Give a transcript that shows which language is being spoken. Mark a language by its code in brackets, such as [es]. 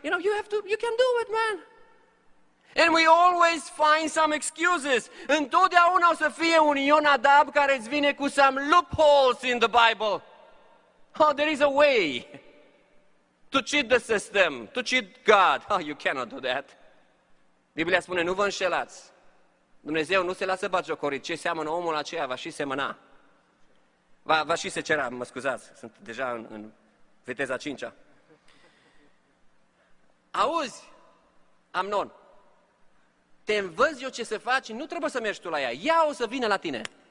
[en] You know, you can do it, man. And we always find some excuses. [ro] Întotdeauna o să fie un Ionadab care îți vine cu [en] some loopholes in the Bible. Oh, there is a way to cheat the system, to cheat God. Oh, you cannot do that. [ro] Biblia spune, nu vă înșelați. Dumnezeu nu se lasă batjocorit. Ce seamănă omul aceea va și semăna. Va și se cera, mă scuzați, sunt deja în viteza 5-a. Auzi, Amnon, te învăț eu ce să faci, nu trebuie să mergi tu la ea, ea o să vină la tine.